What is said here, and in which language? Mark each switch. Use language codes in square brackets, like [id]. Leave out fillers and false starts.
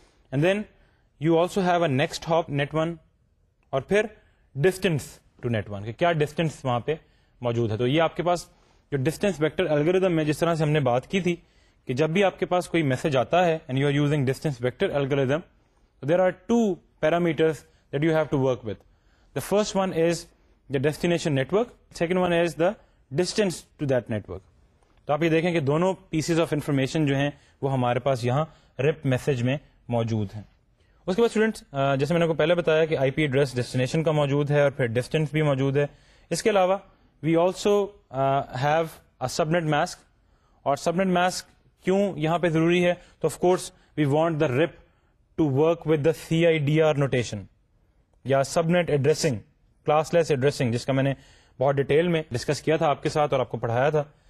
[en] and then you also have a next hop net 1, اور پھر distance to net 1, [ur] کہ کیا ڈسٹینس وہاں پہ موجود ہے. تو یہ آپ کے پاس جو ڈسٹینس ویکٹر الگوریدم ہے, جس طرح سے ہم نے بات کی تھی کہ جب بھی آپ کے پاس کوئی میسج آتا ہے [en] And you are using distance vector algorithm, there are 2 parameters that you have to work with. The first one is the destination network, second one is the distance to that network. [ur] تو آپ یہ دیکھیں کہ دونوں pieces of information جو ہیں وہ ہمارے پاس یہاں رپ میسج میں موجود ہیں. اس کے بعد اسٹوڈنٹس, جیسے میں نے پہلے بتایا کہ آئی پی ایڈریس ڈیسٹینیشن کا موجود ہے اور پھر ڈسٹینس بھی موجود ہے. اس کے علاوہ [en] we also have a subnet mask, [ur] اور سب نیٹ ماسک کیوں یہاں پہ ضروری ہے, تو [en] of course we want the RIP to work with the C I D R notation یا subnet addressing, classless addressing, [ur] جس کا میں نے بہت ڈیٹیل میں ڈسکس کیا تھا آپ کے ساتھ اور آپ کو پڑھایا تھا.